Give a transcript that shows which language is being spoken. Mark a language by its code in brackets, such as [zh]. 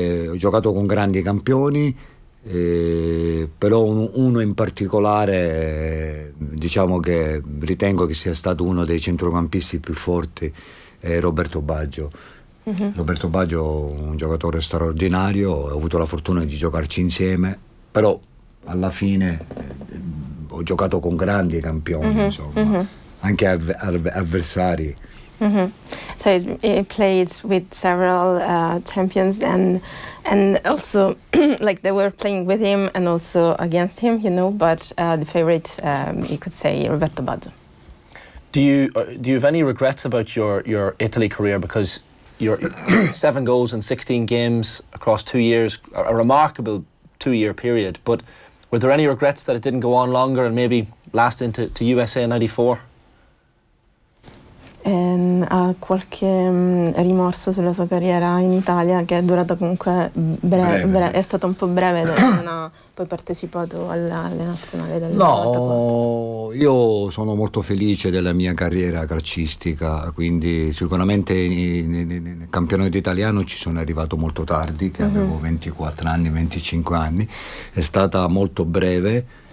[it] Ho giocato con grandi campioni, però uno in particolare, diciamo che ritengo che sia stato uno dei centrocampisti più forti, è Roberto Baggio. Mm-hmm. Roberto Baggio, un giocatore straordinario, ho avuto la fortuna di giocarci insieme, però alla fine ho giocato con grandi campioni, mm-hmm. insomma, mm-hmm. anche avversari. Mm-hmm. [en] So he played with several champions, and also like they were playing with him and also against him, you know. But the favorite, you could say, Roberto Baggio. Do you have any regrets about your Italy career? Because your 7 goals in 16 games across 2 years, a remarkable 2 year period, but were there any regrets that it didn't go on longer and maybe last into USA in 94? [it] Ha qualche rimorso sulla sua carriera in Italia, che è durata comunque breve. È stato un po' breve, non ha poi partecipato alla nazionale del 94. No, io sono molto felice della mia carriera calcistica, quindi sicuramente nel campionato italiano ci sono arrivato molto tardi, che mm-hmm. avevo 24 anni, 25 anni, è stata molto breve.